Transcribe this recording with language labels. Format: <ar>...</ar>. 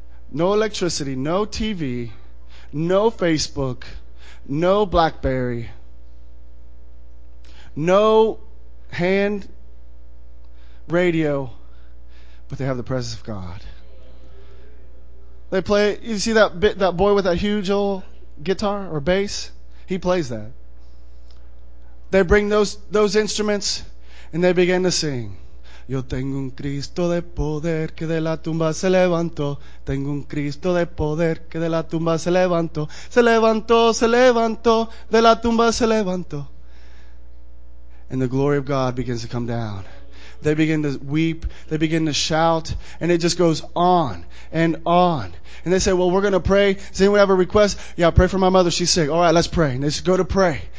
<en>No electricity, no TV, no Facebook, no BlackBerry, no hand radio, but they have the presence of God. They play, you see that bit, that boy with that huge old guitar or bass? He plays that. They bring those instruments and they begin to sing.</en> <es>Yo tengo un Cristo de poder que de la tumba se levantó. Tengo un Cristo de poder que de la tumba se levantó. Se levantó, se levantó, de la tumba se levantó.</es> <en>And the glory of God begins to come down. They begin to weep. They begin to shout. And it just goes on and on. And they say, well, we're going to pray. Does anyone have a request? Yeah, pray for my mother. She's sick. All right, let's pray. And they just go to pray.</en>